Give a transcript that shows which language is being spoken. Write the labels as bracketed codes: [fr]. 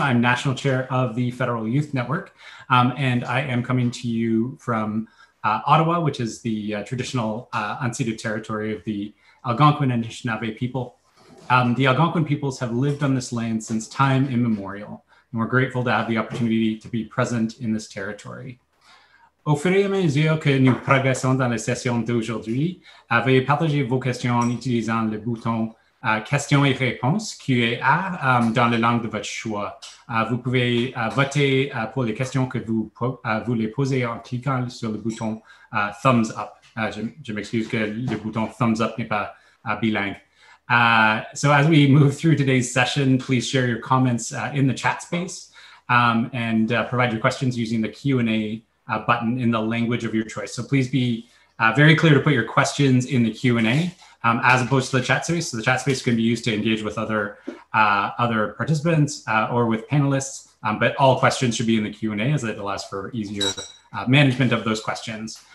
[en] I'm National Chair of the Federal Youth Network. And I am coming to you from Ottawa, which is the traditional unceded territory of the Algonquin and Anishinaabe people. The Algonquin peoples have lived on this land since time immemorial, and we're grateful to have the opportunity to be present in this territory. [fr] Au fur et à mesure que nous progressons dans la session d'aujourd'hui, veuillez partager vos questions en utilisant le bouton questions et réponses, QA, dans la langue de votre choix. Vous pouvez voter pour les questions que vous voulez poser en cliquant sur le bouton thumbs up. Je m'excuse que le bouton thumbs up n'est pas bilingue. [en] So as we move through today's session, please share your comments in the chat space and provide your questions using the Q&A button in the language of your choice. So please be very clear to put your questions in the Q&A as opposed to the chat space. So the chat space can be used to engage with other participants or with panelists, but all questions should be in the Q&A as it allows for easier management of those questions.